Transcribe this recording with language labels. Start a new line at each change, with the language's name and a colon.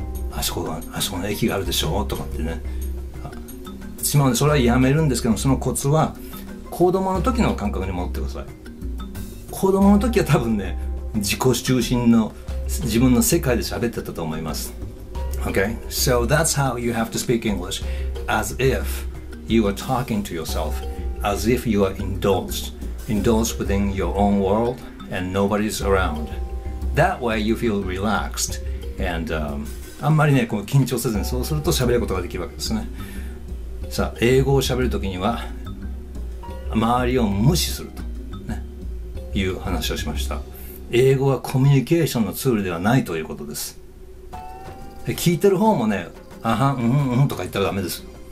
Japanese: あそこの駅があるでしょとかってね。しまうんで、それはやめるんですけど、そのコツは、子供の時の感覚に戻ってください。子供の時は多分ね、自己中心の自分の世界で喋ってたと思います。
English: Okay, so that's how you have to speak English, as if you are talking to yourself, as if you are indulged within your own world and nobody's around. That way you feel relaxed and、
Japanese: あんまりね、こう緊張せずにそうすると喋ることができるわけですね。さあ、英語を喋るときには周りを無視すると、ね、いう話をしました。英語はコミュニケーションのツールではないということです。聞いてる方もねあはんうんうんとか言ったらダメです。